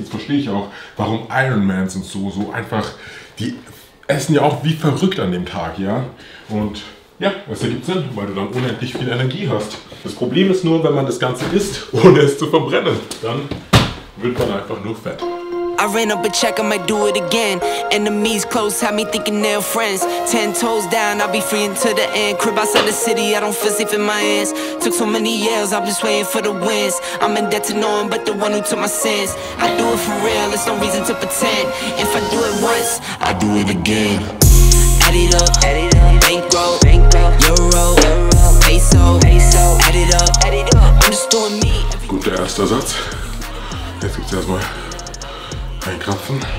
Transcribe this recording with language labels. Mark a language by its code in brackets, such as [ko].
[de] Jetzt verstehe ich auch, warum Ironmans und so einfach, die essen ja auch wie verrückt an dem Tag, ja? Und ja, es ergibt Sinn, weil du dann unendlich viel Energie hast. Das Problem ist nur, wenn man das Ganze isst, ohne es zu verbrennen, dann wird man einfach nur fett. [en] I ran up a check, I might do it again. Enemies close, have me thinking they're friends. 10 toes down, I'll be free until the end. Crib outside the city, I don't feel safe in my hands. Took so many yells, I'm just waiting for the wins. I'm in debt to no one but the one who took my sins. I do it for real, there's no reason to pretend. If I do it once, I do it again. Add it up, add it up. Bankroll, bankroll, euro, peso, peso. Add it up, I'm just doing me. [de] Guter erster Satz. Jetzt gibt's erstmal Krapfen.